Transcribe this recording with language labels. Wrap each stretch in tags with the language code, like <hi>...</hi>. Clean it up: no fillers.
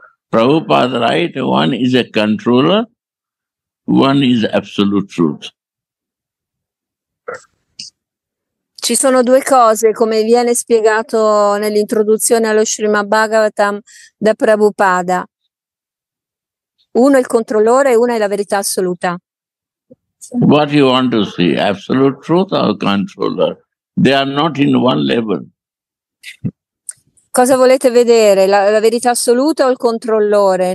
<en>Prabhupada write, one is a controller, one is absolute truth.</en> <it>Ci sono due cose, come viene spiegato nell'introduzione allo Srimad Bhagavatam da Prabhupada. Uno è il controllore e una è la verità assoluta.</it> <en>What you want to see, absolute truth or controller? They are not in one level.</en> <it>Cosa volete vedere, la verità assoluta o il controllore?</it>